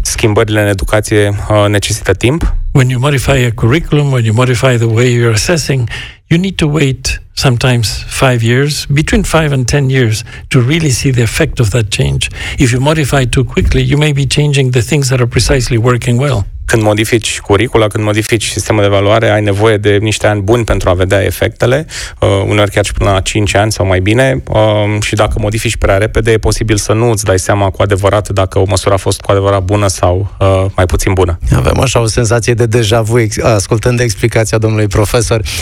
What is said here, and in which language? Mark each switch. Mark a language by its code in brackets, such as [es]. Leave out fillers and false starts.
[ro] Schimbările în educație necesită timp. [en] When you modify a curriculum, when you modify the way you're assessing, you need to wait sometimes 5 years, between 5 and 10 years, to really see the effect of that change. If you modify too quickly, you may be changing the things that are precisely working well. [ro] Când modifici curricula, când modifici sistemul de evaluare, ai nevoie de niște ani buni pentru a vedea efectele, uneori chiar și până la 5 ani sau mai bine, și dacă modifici prea repede, e posibil să nu îți dai seama cu adevărat dacă o măsură a fost cu adevărat bună sau mai puțin bună. Avem așa o senzație de deja vu, ascultând explicația domnului profesor.